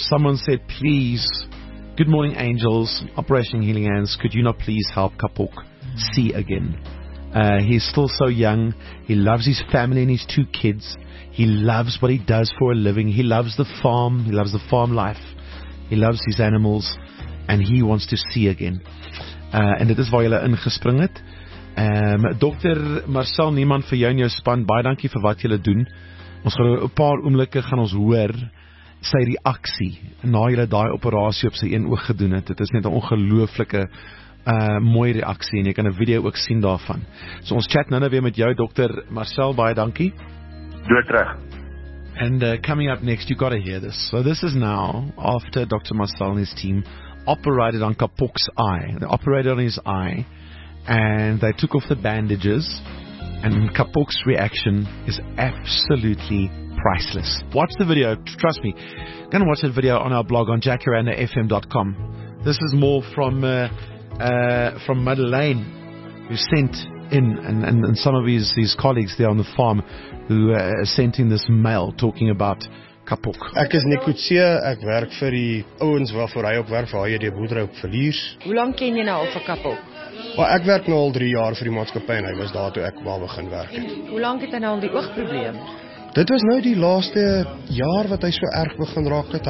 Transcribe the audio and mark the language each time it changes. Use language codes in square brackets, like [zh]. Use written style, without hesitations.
[en] Someone said, please, Good Morning Angels, Operation Healing Hands, could you not please help Kapok see again? He's still so young, he loves his family and his two kids, he loves what he does for a living, he loves the farm, he loves the farm life, he loves his animals, and he wants to see again. [af] En dit is waar julle ingespring het. Dr. Marcel Niemand, vir jou en jou span, baie dankie vir wat julle doen. Ons gaan een paar oomblikke gaan ons hoor sy reaksie na julle daai operasie op sy een oog gedoen het. Dit is net 'n ongelooflike mooi reaksie, en jy kan 'n video ook sien daarvan. So ons chat nou weer met jou, dokter Marcel, baie dankie. Doe terug. [en] And coming up next, you got to hear this. So this is now after Dr. Marcel and his team operated on Kapok's eye. They operated on his eye and they took off the bandages, and Kapok's reaction is absolutely priceless. Watch the video, trust me. Go and watch that video on our blog on jacarandafm.com. This is more from Madeleine, who sent in, and some of his colleagues there on the farm who sent in this mail talking about Kapok. [af] Ek is Nikutsia, ek werk vir die ouens waarvoor hy op werk, vir hy die boerdery op verlies. Hoe lang ken jy nou al vir Kapok? Maar ek werk nou al 3 jaar vir die maatskappy en hy was daar toe ek wel begin werk het. Hoe lank het hy nou al die oogprobleem? Dit was nou die laaste jaar wat hy so erg begin raak het.